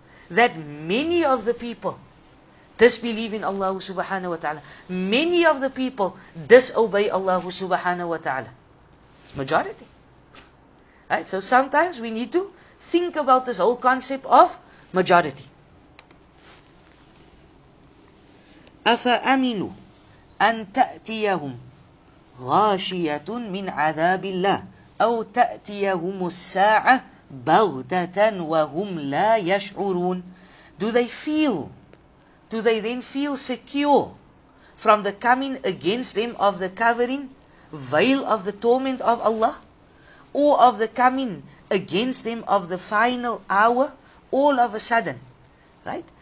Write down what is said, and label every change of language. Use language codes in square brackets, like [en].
[en] That many of the people disbelieve in Allah subhanahu wa ta'ala. Many of the people disobey Allah subhanahu wa ta'ala. It's majority. Right? So sometimes we need to think about this whole concept of majority. [ar] أَفَأَمِنُوا أن تأتيهم غاشية من عذاب الله أو تأتيهم الساعة بغتة وهم لا يشعرون. [en] Do they then feel secure from the coming against them of the covering veil of the torment of Allah, or of the coming against them of the final hour all of a sudden, right?